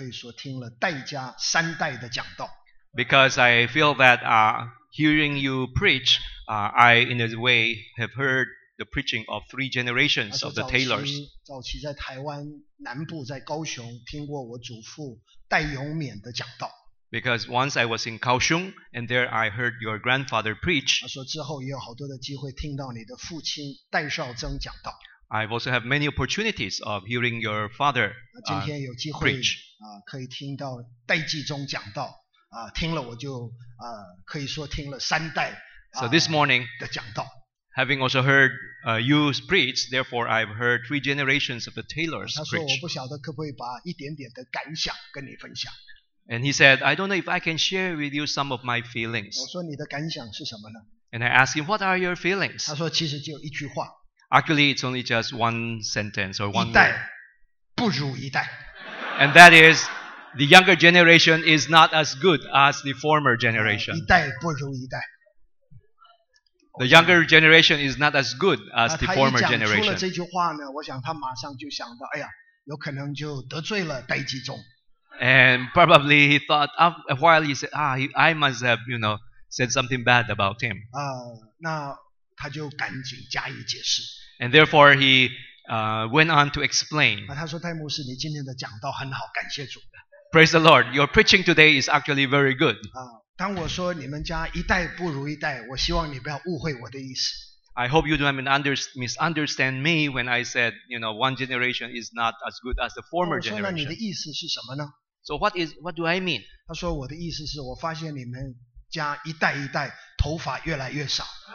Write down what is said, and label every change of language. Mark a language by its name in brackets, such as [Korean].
[Chinese] 他说其实我有机会听你讲道，我就可以说听了代家三代的讲道。 [English] Because I feel that hearing you preach, I in a way have heard the preaching of three generations of the Taylors. [Chinese] 早期在台湾南部在高雄听过我祖父戴永勉的讲道。 [English] Because once I was in Kaohsiung, and there I heard your grandfather preach. [Chinese] 他说之后也有好多的机会听到你的父亲戴绍曾讲道。 [English] I've also had many opportunities of hearing your father preach. [Chinese] 今天有机会可以听到戴继宗讲道。听了我就可以说听了三代 [English] So this morning, [Chinese] 的讲道。 [English] Having also heard you preach, therefore I've heard three generations of the Taylors preach. [Chinese] 他说我不晓得可不可以把一点点的感想跟你分享。 [English] And he said, I don't know if I can share with you some of my feelings. [Chinese] 我说你的感想是什么呢？ [English] And I asked him, what are your feelings? [Chinese] 他说其实只有一句话。 [English] Actually, it's only just one sentence or one word. [Chinese] 一代不如一代。 [English] And that is, the younger generation is not as good as the former generation. [Chinese] 一代不如一代。 [English] The younger generation is not as good as the former generation. [Chinese] 他一讲出了这句话呢，我想他马上就想到，哎呀，有可能就得罪了戴季宗。 [English] And probably he thought, a while he said, ah, I must have, you know, said something bad about him. [Chinese] 那他就赶紧加以解释。 [English] And therefore he went on to explain. [Chinese] 他说戴牧师，你今天的讲道很好，感谢主。 [English] Praise the Lord, your preaching today is actually very good. [Chinese] 当我说你们家一代不如一代，我希望你不要误会我的意思。 [English] I hope you don't misunderstand me when I said, you know, one generation is not as good as the former generation. [Chinese] 我说那你的意思是什么呢？ [English] So what do I mean? [Chinese] 他说我的意思是我发现你们家一代一代头发越来越少。